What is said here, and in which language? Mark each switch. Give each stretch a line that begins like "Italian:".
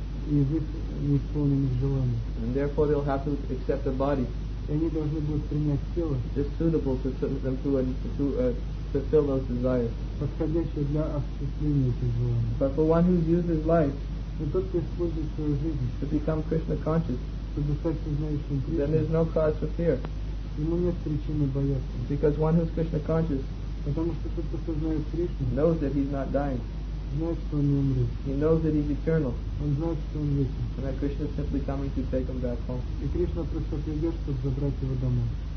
Russian: Из их неисполненных желаний.
English: And therefore they'll have to accept a body.
Russian: И они должны будут принять тело.
English: Just suitable to them to fulfill those desires.
Russian: Подходящее для осуществления этих желаний.
English: But for one who's used his life,
Russian: но тот, кто использует свою жизнь,
English: to become Krishna conscious,
Russian: чтобы стать сознающим Кришной,
English: then there's no cause for fear.
Russian: Ему нет причины бояться.
English: Because one who's Krishna conscious,
Russian: потому что тот, кто сознает Кришну,
English: knows that he's not dying. He knows that he's eternal.
Russian: Он знает, что он вечен.
English: And that Krishna is simply coming to take him back home.
Russian: И Кришна просто придет, чтобы забрать его домой.